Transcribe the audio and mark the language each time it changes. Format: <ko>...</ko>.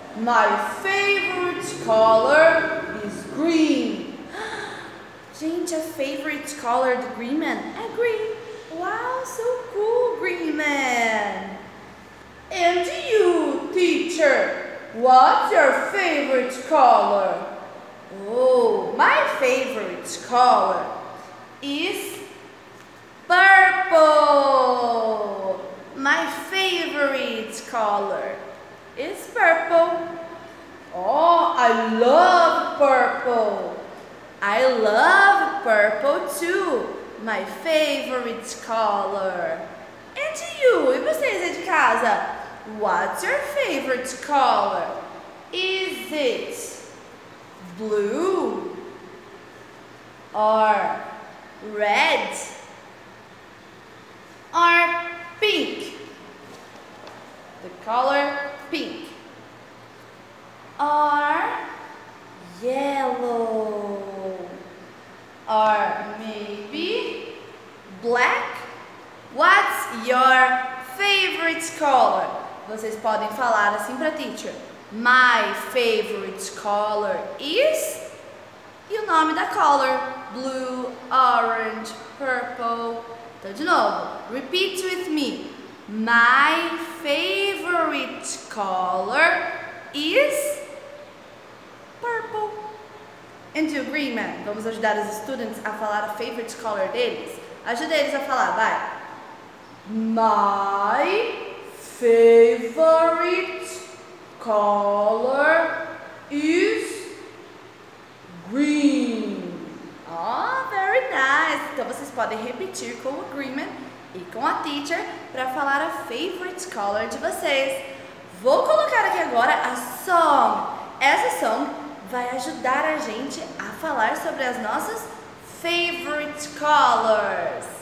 <en>My favorite color is green!</en> <pt>Gente, a</pt> <en>favorite color</en> <pt>do Green Man é green!</pt> <en>Wow, so cool, Green Man! And you, teacher, what's your favorite color? Oh, my favorite color is purple! My favorite color is purple. Oh, I love purple. I love purple too. My favorite color. And you,</en> <pt>e vocês aí de casa?</pt> <en>What's your favorite color? Is it blue or red or pink? The color pink or yellow or maybe black. What's your favorite color?</en> <pt>Vocês podem falar assim para a teacher.</pt> <en>My favorite color is, e o nome da color: blue, orange, purple.</en> <pt>Então de novo,</pt> <en>repeat with me. My favorite color is purple. And you, Green Man,</en> <pt>vamos ajudar os students a falar a</pt> <en>favorite color</en> <pt>deles? Ajuda eles a falar, vai.</pt> <en>My favorite color is green. Oh, very nice.</en> <pt>Então vocês podem repetir com o Green Man e com a teacher para falar a</pt> <en>favorite color</en> <pt>de vocês. Vou colocar aqui agora a song. Essa song vai ajudar a gente a falar sobre as nossas</pt> <en>favorite colors.</en>